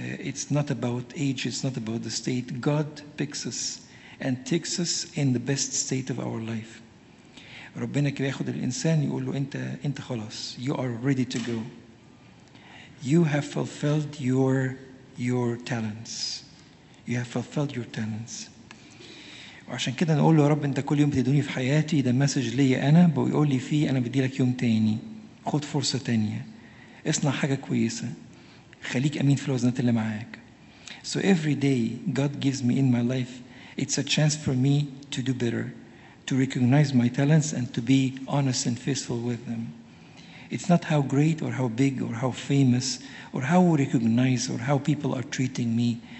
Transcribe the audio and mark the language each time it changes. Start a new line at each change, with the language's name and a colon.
English: It's not about age, it's not about the state. God picks us and takes us in the best state of our life.
Arabic: ربنا كده ياخد الإنسان يقول له أنت خلاص.
English: You are ready to go. You have fulfilled your talents. You have fulfilled your talents.
Arabic: وعشان كده نقول له: يا رب، أنت كل يوم بتدوني في حياتي، ده مسج ليا أنا، بيقول لي فيه أنا بدي لك يوم تاني. خد فرصة تانية. اصنع حاجة كويسة. خليك أمين في الوزنات اللي معاك.
English: So every day God gives me in my life, it's a chance for me to do better, to recognize my talents and to be honest and faithful with them. It's not how great or how big or how famous or how recognized or how people are treating me.